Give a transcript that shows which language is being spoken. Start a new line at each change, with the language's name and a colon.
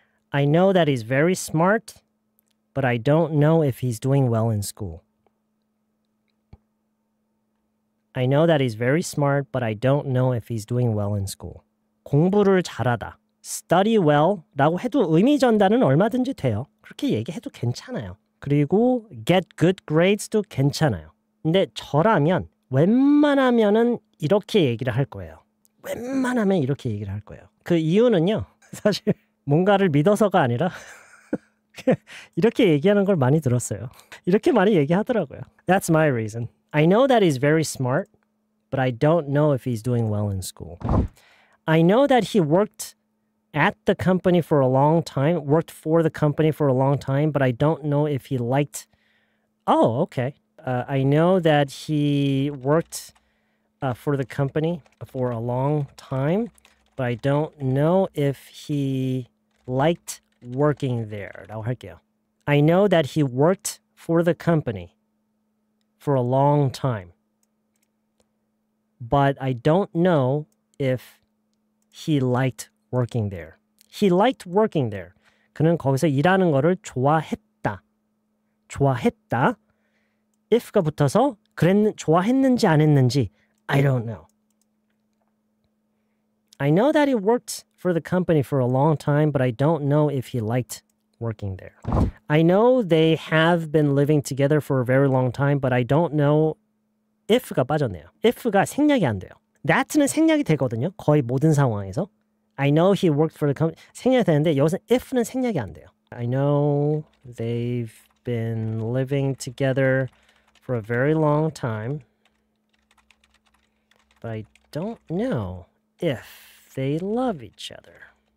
English: I know that he's very smart, but I don't know if he's doing well in school. I know that he's very smart, but I don't know if he's doing well in school.
Korean: 공부를 잘하다.
English: Study well
Korean: 라고 해도 의미 전달은 얼마든지 돼요. 그렇게 얘기해도 괜찮아요. 그리고
English: get good grades
Korean: 도 괜찮아요. 근데 저라면 웬만하면은 이렇게 얘기를 할 거예요. 웬만하면 이렇게 얘기를 할 거예요. 그 이유는요. 사실 뭔가를 믿어서가 아니라 이렇게 얘기하는 걸 많이 들었어요. 이렇게 많이 얘기하더라고요.
English: That's my reason. I know that he's very smart, but I don't know if he's doing well in school. I know that he worked at the company for a long time, worked for the company for a long time, but I don't know if he liked... Oh, okay. I know that he worked for the company for a long time, but I don't know if he liked working there.
Korean: 라고 할게요.
English: I know that he worked for the company for a long time, but I don't know if he liked working there. He liked working there.
Korean: 그는 거기서 일하는 거를 좋아했다. 좋아했다. If가 붙어서 좋아했는지 안 했는지
English: I don't know. I know that he worked for the company for a long time, but I don't know if he liked working there. I know they have been living together for a very long time, but I don't know if
Korean: 가 빠졌네요. If가 생략이 안 돼요. That는 생략이 되거든요. 거의 모든 상황에서.
English: I know he worked for the company.
Korean: 생략이 되는데 여기서 if는 생략이 안 돼요.
English: I know they've been living together for a very long time, but I don't know if they love each other.